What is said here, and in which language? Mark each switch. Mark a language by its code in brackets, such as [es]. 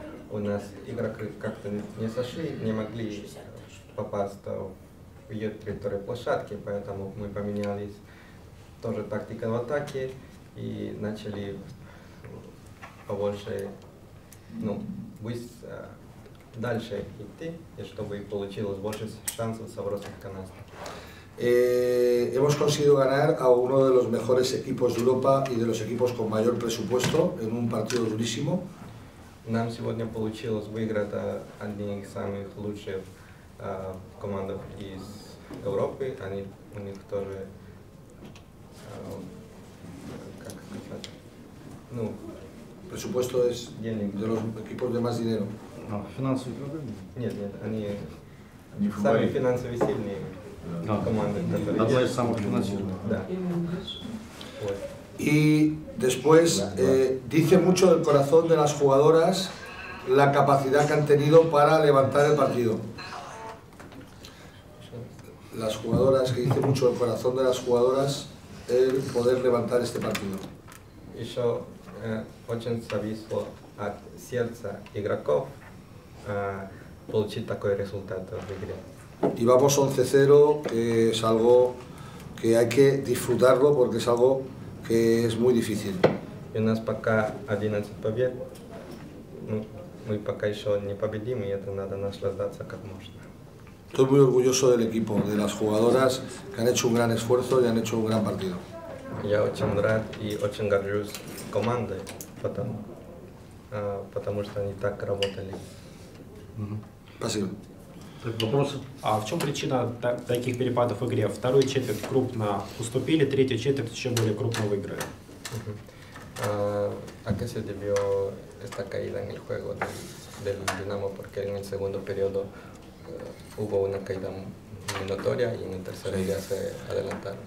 [ru] У нас игроки как-то не сошли, не могли попасть в ее территорию площадки, поэтому мы поменялись тоже тактика в атаке и начали побольше, ну, дальше идти, и чтобы получилось больше шансов забросить канасты. [es] Hemos conseguido ganar a uno de los mejores equipos de Europa y de los equipos con mayor presupuesto en un partido durísimo. [ru] Нам сегодня получилось выиграть одни из самых лучших команд из Европы. Они у них тоже как сказать, ну, [es] presupuesto es [ru] денег. [es] De los equipos de más dinero. [ru] Финансовые проблемы? Нет, они самые финансово сильные команды. Одна из самых финансированных. Да. [es] Y después dice mucho del corazón de las jugadoras la capacidad que han tenido para levantar el partido. Las jugadoras, que dice mucho del corazón de las jugadoras el poder levantar este partido. [ru] Еще очень зависло от сердца игроков получить такой результат в игре. [es] Y vamos 11-0, que es algo que hay que disfrutarlo porque es algo que es muy difícil. [ru] Y у нас пока 11 побед. Мы пока еще не победим, и это надо наслаждаться как можно. [es] Estoy muy orgulloso del equipo, de las jugadoras que han hecho un gran esfuerzo y han hecho un gran partido. [ru] Я очень рад и очень горжусь командой, потому что они так работали. Спасибо. Так, вопрос. А в чем причина таких перепадов в игре? Вторую четверть крупно уступили, третью четверть еще более крупно выиграли. А как [es] se debió esta caída en el juego del Dinamo? Porque en el segundo periodo hubo una caída muy notoria y en el tercero ya se adelantaron.